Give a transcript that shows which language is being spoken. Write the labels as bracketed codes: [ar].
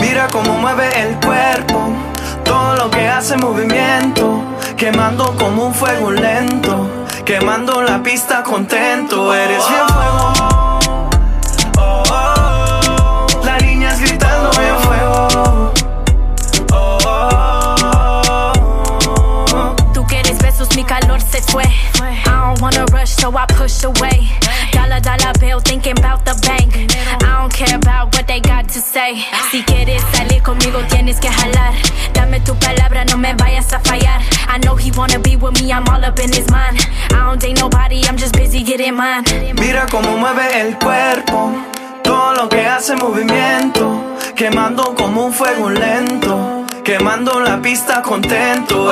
[es] Cómo mueve el cuerpo, todo lo que hace movimiento, quemando como un fuego lento, quemando la pista contento. Eres bien fuego, oh, oh, oh. La niña es gritando bien fuego, oh, oh, oh, oh. Tú quieres besos, mi calor se fue. [en] I don't wanna rush, so I push away. Dollar, dollar bill, thinking about the bank. I don't care about what they got to say. [es] Si quieres salir conmigo, tienes que jalar. Dame tu palabra, no me vayas a fallar. [en] I know he wanna be with me, I'm all up in his mind. I don't date nobody, I'm just busy getting mine. [es] Mira cómo mueve el cuerpo, todo lo que hace movimiento. Quemando como un fuego lento, quemando la pista contento.